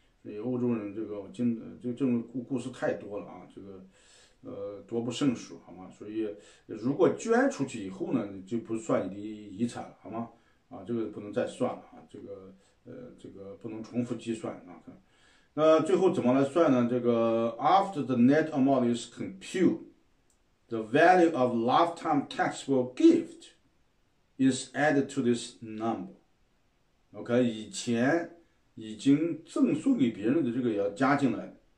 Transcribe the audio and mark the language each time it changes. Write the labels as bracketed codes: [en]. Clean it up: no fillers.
[zh] 所以欧洲人这个经这这种故事太多了啊，这个多不胜数，好吗？所以如果捐出去以后呢，就不算你的遗产了，好吗？啊，这个不能再算了啊，这个不能重复计算啊。那最后怎么来算呢？ [en] 这个 after the net amount is compute, the value of lifetime taxable gift is added to this number. [zh] OK, 以前已经赠送给别人的这个要加进来。